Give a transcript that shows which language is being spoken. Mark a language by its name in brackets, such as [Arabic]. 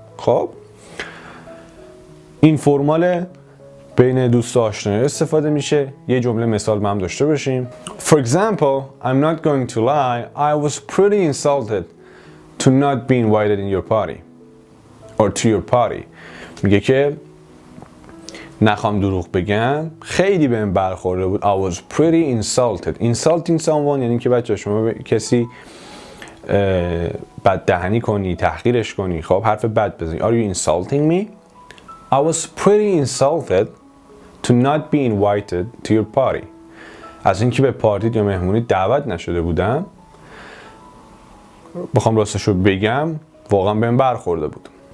[Persian] خب این فرمال بین دوست و آشنای استفاده میشه. یه جمله مثال با هم داشته باشیم. [English] For example, I'm not going to lie, I was pretty insulted to not be invited in your party or to your party. [Persian] میگه که نخوام دروغ بگم، خیلی بهم برخورده بود. [English] I was pretty insulted. Insulting someone [Persian] یعنی که بچه شما به کسی بددهنی کنی، تحقیرش کنی، خب حرف بد بزنی. [English] Are you insulting me? I was pretty insulted to not be invited to your party. [Persian] از اینکه به پارتیت یا مهمونیت دعوت نشده بودم، بخوام راستشو بگم، واقعا بهم برخورده بود.